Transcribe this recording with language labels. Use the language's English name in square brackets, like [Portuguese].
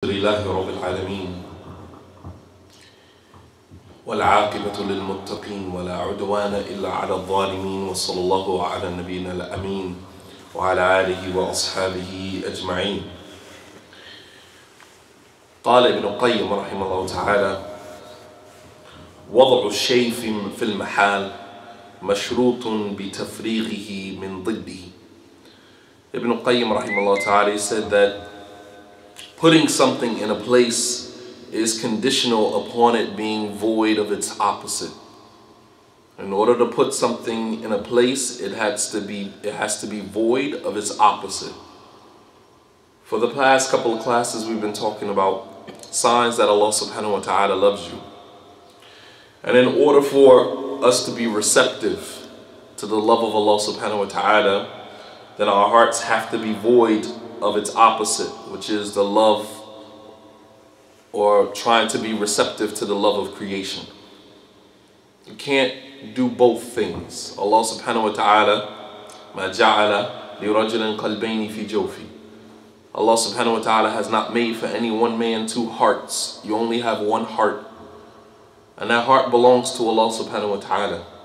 [Arabic] لله رب العالمين والعاقبة للمتقين ولا عدوان إلا على الظالمين وصلى الله على نبينا الأمين وعلى آله وأصحابه أجمعين. قال ابن القيم رحمه الله تعالى: وضع الشيء في المحال مشروط بتفريغه من ضده. [English] Ibn al-Qayyim rahimahullah ta'ala, he said that putting something in a place is conditional upon it being void of its opposite. In order to put something in a place, it has to be void of its opposite. For the past couple of classes, we've been talking about signs that Allah subhanahu wa ta'ala loves you. And in order for us to be receptive to the love of Allah subhanahu wa ta'ala, then our hearts have to be void of its opposite, which is the love, or trying to be receptive to the love of creation. You can't do both things. [Arabic] Allah subhanahu wa ta'ala, ما جعل لرجل قلبين في جوفي. [English] Allah subhanahu wa ta'ala has not made for any one man two hearts. You only have one heart. And that heart belongs to Allah subhanahu wa ta'ala.